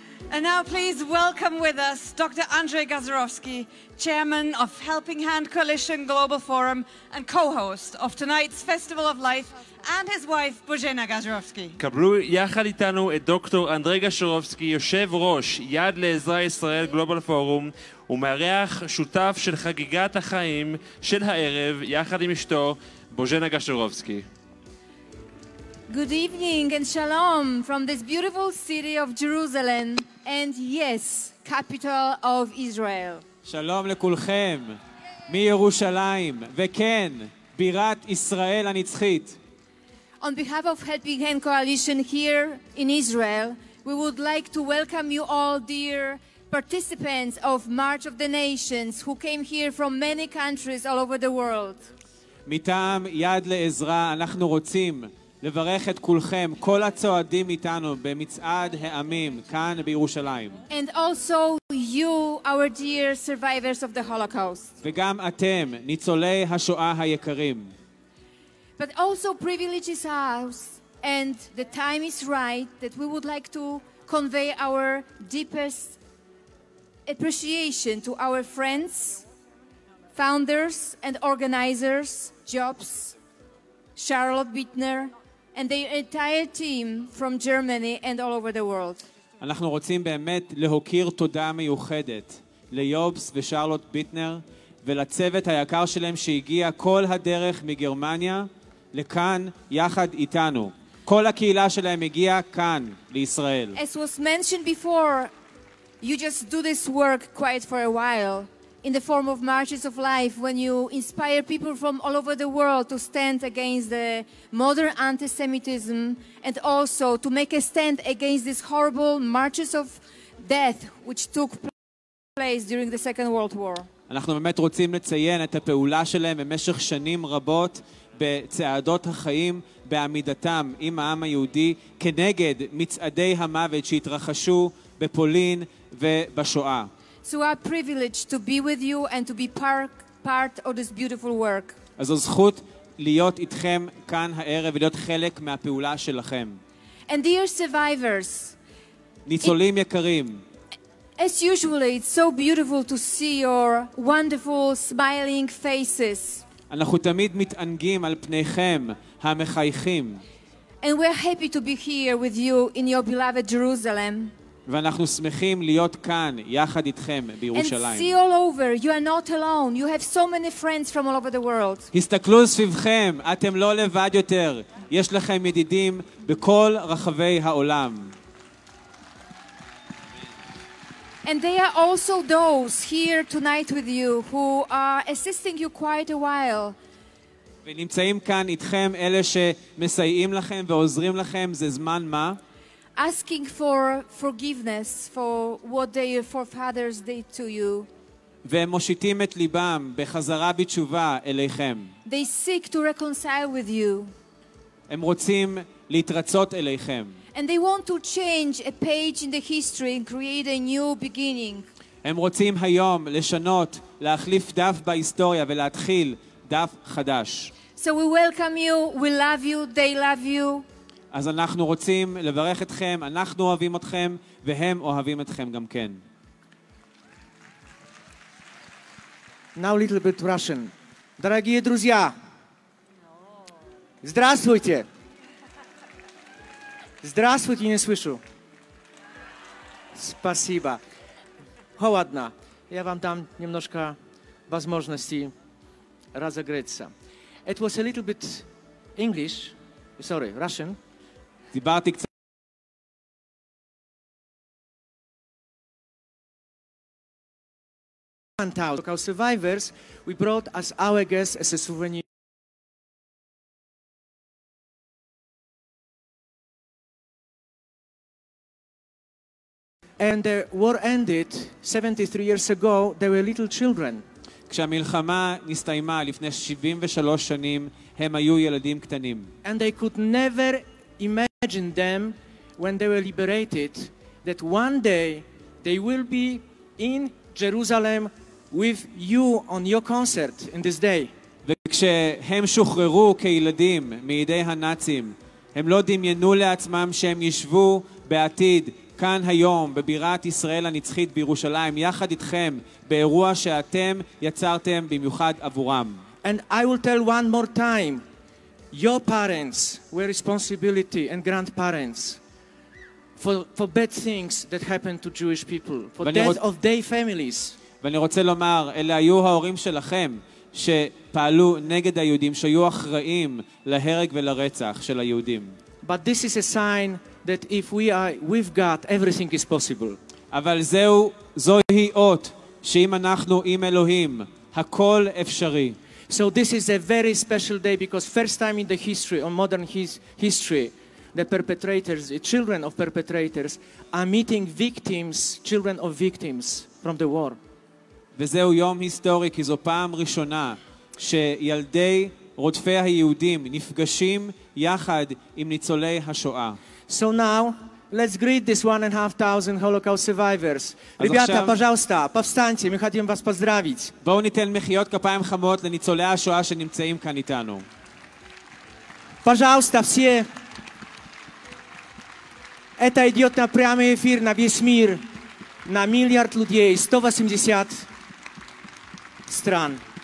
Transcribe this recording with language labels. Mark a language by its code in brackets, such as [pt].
[en] And now please welcome with us Dr. Andrei Gazarovsky, Chairman of Helping Hand Coalition Global Forum and co-host of tonight's Festival of Life, and his wife, Bozena Gazarovsky. [he] קבלו יחד איתנו את דוקטור אנדרי גזרובסקי, יושב ראש יד לעזרה ישראל גלובל פורום, ומערך שותף של חגיגת החיים של הערב, יחד עם אשתו, בוז'נה גזרובסקי. [en] Good evening and shalom from this beautiful city of Jerusalem, and yes, capital of Israel. [he] שלום לכולכם מירושלים, וכן, בירת ישראל הנצחית. [en] On behalf of Helping Hand Coalition here in Israel, we would like to welcome you all, dear participants of March of the Nations, who came here from many countries all over the world. [he] מטעם יד לעזרה, אנחנו רוצים לברך את כולכם, כל הצועדים איתנו במצעד העמים, כאן בירושלים. [en] And also you, our dear survivors of the Holocaust. [he] וגם אתם, ניצולי השואה היקרים. [en] But also privileges us, and the time is right that we would like to convey our deepest appreciation to our friends, founders and organizers, Jobs, Charlotte Bittner, and their entire team from Germany and all over the world. [he] אנחנו רוצים באמת להוקיר תודה מיוחדת ליובס ושרלוט ביטנר ולצוות היקר שלהם שהגיע כל הדרך מגרמניה לכאן יחד איתנו. כל הקהילה שלהם הגיעה כאן לישראל. [en] As was mentioned before, you just do this work quite for a while in the form of marches of life, when you inspire people from all over the world to stand against the modern antisemitism and also to make a stand against this horrible marches of death which took place during the Second World War. [he] אנחנו באמת רוצים לציין את הפעולה שלהם במשך שנים רבות בצעדות החיים, בעמידתם עם העם היהודי כנגד מצעדי המוות שהתרחשו בפולין ובשואה. [en] So a privilege to be with you and to be part of this beautiful work. [he] אז זכות להיות איתכם כאן הערב ולהיות חלק מהפעולה שלכם. [en] And dear survivors, [he] ניצולים יקרים, [en] as usually it's so beautiful to see your wonderful smiling faces. [he] אנחנו תמיד מתענגים על פניכם המחייכים. [en] And we're happy to be here with you in your beloved Jerusalem. [he] ואנחנו שמחים להיות כאן יחד איתכם בירושלים. [en] And see all over, you are not alone. You have so many friends from all over the world. [he] הסתכלו סביבכם, אתם לא לבד יותר. יש לכם ידידים בכל רחבי העולם. [en] And they are also those here tonight with you who are assisting you quite a while. [he] ונמצאים כאן איתכם אלה שמסייעים לכם ועוזרים לכם זה זמן מה? [en] Asking for forgiveness for what their forefathers did to you. [he] ומושיטים את ליבם בחזרה בתשובה אליכם. [en] They seek to reconcile with you. [he] הם רוצים להתרצות אליכם. [en] And they want to change a page in the history and create a new beginning. [he] הם רוצים היום לשנות, להחליף דף בהיסטוריה ולהתחיל דף חדש. [en] So we welcome you, we love you, they love you. [he] אז אנחנו רוצים לברך אתכם, אנחנו אוהבים אתכם והם אוהבים אתכם גם כן. [en] Now a little bit Russian. [ru] Дорогие друзья. Здравствуйте. Здравствуйте, не слышу. Спасибо. Холодно. Я вам дам немножко возможности разогреться. [en] It was a little bit English. Sorry, Russian. [he] דיברתי קצת. [en] Fantastic. Our survivors, we brought as our guests as a souvenir. And the war ended 73 years ago, they were little children. [he] כשהמלחמה נסתיימה לפני 73 שנים, הם היו ילדים קטנים. [en] And they could never imagine them when they were liberated, that one day they will be in Jerusalem with you on your concert in this day. [he] וכשהם שוחררו כילדים מידי הנאצים, הם לא דמיינו לעצמם שהם ישבו בעתיד כאן היום בבירת ישראל הנצחית בירושלים יחד איתכם באירוע שאתם יצרתם במיוחד עבורם. [en] And I will tell one more time, your parents were responsibility and grandparents for bad things that happened to Jewish people, for death of their families. [he] ואני רוצה לומר, אלה היו ההורים שלכם שפעלו נגד היהודים, שהיו אחראים להרג ולרצח של היהודים. [en] But this is a sign that if we are with God, everything is possible. [he] אבל זוהי אות שאם אנחנו עם אלוהים, הכל אפשרי. [en] So this is a very special day because first time in the history, or modern history, the perpetrators, the children of perpetrators, are meeting victims, children of victims from the war. [he] וזהו יום היסטורי, כי זו פעם ראשונה שילדי רודפי היהודים נפגשים יחד עם ניצולי השואה. [en] So now, let's greet this 1,500 Holocaust survivors. [ru] Ребята, пожалуйста, повстаньте, мы хотим вас поздравить. [he] בואו ניתן מחיאות כפיים חמות לניצולי השואה שנמצאים כאן איתנו. [ru] Пожалуйста, все. Это идет на прямой эфир на весь мир, на миллиард людей, 180 стран.